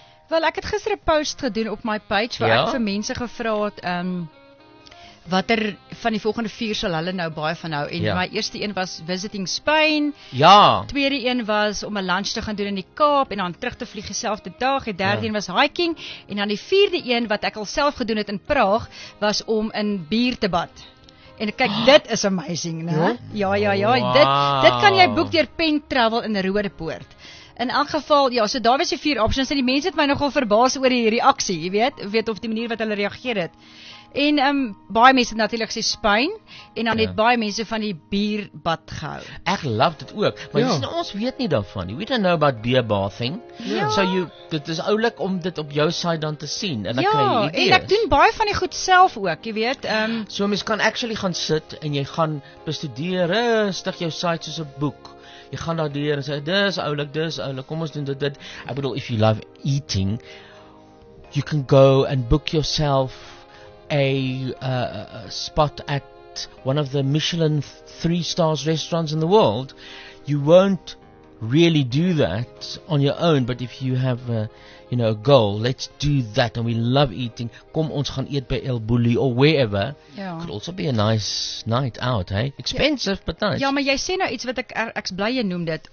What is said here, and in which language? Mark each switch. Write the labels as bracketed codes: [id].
[af] Wel, ek het gister 'n post gedoen op my page waar ek vir mense gevra het watter van die volgende vier sal hulle nou baie van hou. En my eerste een was [en] visiting Spain. [af] Ja. Tweede een was om 'n lunch te gaan doen in die Kaap en dan terug te vlieg dieselfde dag. Die derde een was hiking. En dan die vierde een wat ek al self gedoen het in Praag was om in bier te bad. En kyk, dit is amazing, né? Ja, ja, ja. Wow. Dit kan jy boek deur Pen Travel in Roodepoort. In elk geval, ja, so daar was die vier options en die mense het my nogal verbaas oor die reaksie, jy weet, of die manier wat hulle reageer het. En baie mense het natuurlik gesê Spain en dan het baie mense van die bierbad gehou. Ek love dit ook, maar jy sê, ons weet nie daarvan. [en] We don't know about beer bathing. [af] Ja. So dit is oulik om dit op jou site dan te sien en dan kry jy idees. Ja, en ek doen baie van die goed self ook, jy weet. So mense kan actually gaan sit en jy gaan bestudeer rustig jou site soos 'n boek. Jy gaan daar deur en sê, dis oulik, kom ons doen dit. Ek bedoel, [en] if you love eating, you can go and book yourself a spot at one of the Michelin 3 stars restaurants in the world. You won't really do that on your own, but if you have a goal, let's do that, and we love eating. [af] Kom, ons gaan eet by El Bulli [en] or wherever. Yeah. Could also be a nice night out, hey? Expensive, but nice. [af] Ja, maar jy sê nou iets wat ek bly jy noem dit.